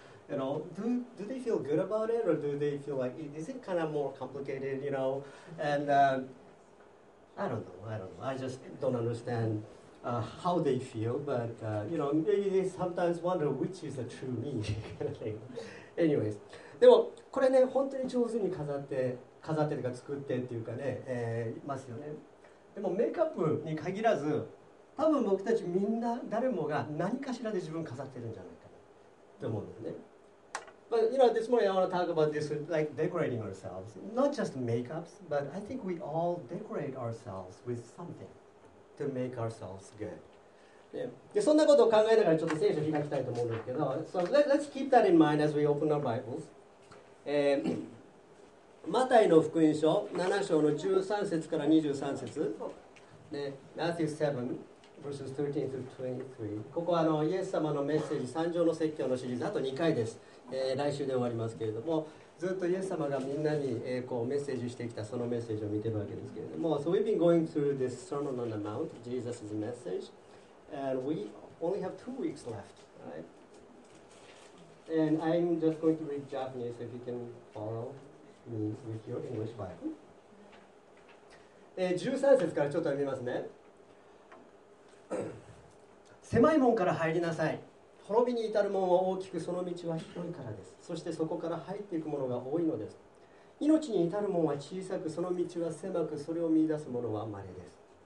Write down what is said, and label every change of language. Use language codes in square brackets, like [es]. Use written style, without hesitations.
[en] You know, do they feel good about it or do they feel like, is it kind of more complicated, you know? And I don't know, I just don't understandhow they feel, but you know, maybe they sometimes wonder which is the true me. [ja] Anyways, でもこれね本当に上手に飾ってとか作ってっていうかね、いますよね。でもメイクアップに限らず、多分僕たちみんな誰もが何かしらで自分飾ってるんじゃないかなと思うんだよね。 [en] But you know, this morning I want to talk about this, like decorating ourselves, not just makeups, but I think we all decorate ourselves with something. To make ourselves good. [ja] そんなことを考えながらちょっと聖書を開きたいと思うんですけど、 [en] so let's keep that in mind as we open our Bibles. [ja] マタイの福音書7章の13節から23節、 [en] Matthew 7 verses 13 to 23。 [ja] ここはイエス様のメッセージ三条の説教のシリーズあと2回です。来週で終わりますけれども、ずっとイエス様がみんなにこうメッセージしてきたそのメッセージを見てるわけですけれども、 [en] So we've been going through this Sermon on the Mount, Jesus' message, and we only have 2 weeks left, right? And I'm just going to read Japanese if you can follow me with your English Bible. [ja] 13節からちょっと読みますね。狭い門から入りなさい。滅びに至る門は大きくその道は広いからです。そしてそこから入っていくものが多いのです。命に至る門は小さくその道は狭くそれを見出すものは稀です。